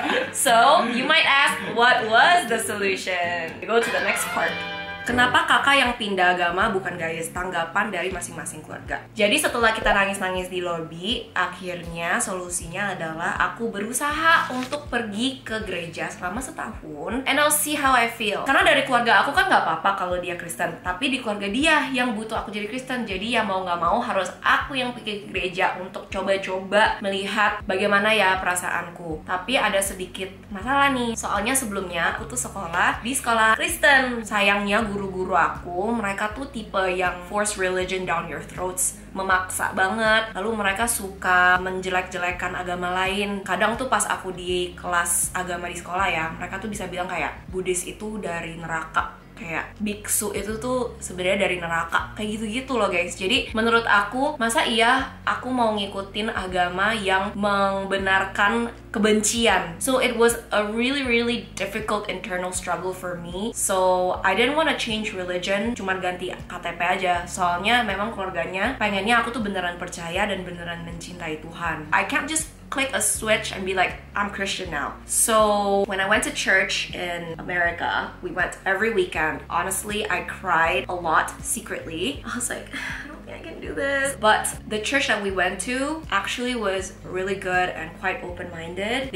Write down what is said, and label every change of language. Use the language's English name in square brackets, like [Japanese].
[English] So, you might ask, what was the solution? We go to the next part. [Indonesian] Kenapa kakak yang pindah agama bukan Gaius? Tanggapan dari masing-masing keluarga. Jadi setelah kita nangis-nangis di lobi, akhirnya solusinya adalah aku berusaha untuk pergi ke gereja selama setahun [English] and I'll see how I feel. [Indonesian] Karena dari keluarga aku kan gak apa-apa kalau dia Kristen, tapi di keluarga dia yang butuh aku jadi Kristen. Jadi ya mau gak mau harus aku yang pergi ke gereja untuk coba-coba melihat bagaimana ya perasaanku. Tapi ada sedikit masalah nih. Soalnya sebelumnya aku tuh sekolah di sekolah Kristen. Sayangnya guru-guru aku, mereka tuh tipe yang [English] force religion down your throats, [Indonesian] memaksa banget. Lalu mereka suka menjelek-jelekkan agama lain. Kadang tuh pas aku di kelas agama di sekolah ya, mereka tuh bisa bilang kayak Buddhis itu dari neraka, kayak biksu itu tuh sebenarnya dari neraka, kayak gitu-gitu loh guys. Jadi menurut aku, masa iya aku mau ngikutin agama yang membenarkan kebencian? [English] So it was a really really difficult internal struggle for me. So I didn't wanna change religion, [Indonesian] cuma ganti KTP aja. Soalnya memang keluarganya pengennya aku tuh beneran percaya dan beneran mencintai Tuhan. [English] I can't just click a switch and be like, I'm Christian now. So when I went to church in America, we went every weekend. Honestly, I cried a lot secretly. I was like, I can do this. But the church that we went to actually was really good and quite open-minded.